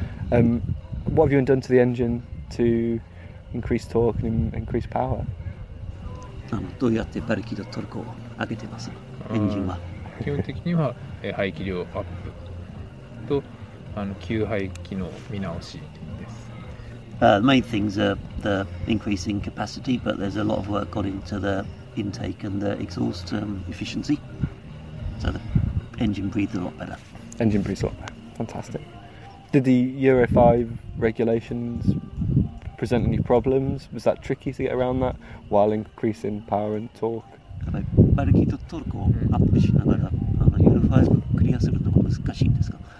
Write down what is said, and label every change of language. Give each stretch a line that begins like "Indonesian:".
English: What have you done to the engine to increase torque and increase power?
Japanese: どうやってバルキドトルコを上げてます？エンジンは基本的には排気量アップと給排気の見直しです。
English: Main things are the increasing capacity, but there's a lot of work gone into the intake and the exhaust efficiency. So the engine breathes a lot better. Engine breathes a lot better. Fantastic. Did the Euro 5 regulations present any problems? Was that tricky to get around that while increasing power and torque?
Japanese: バルキとトルクをアップしながらユーロ5をクリアするのが難しいんですか？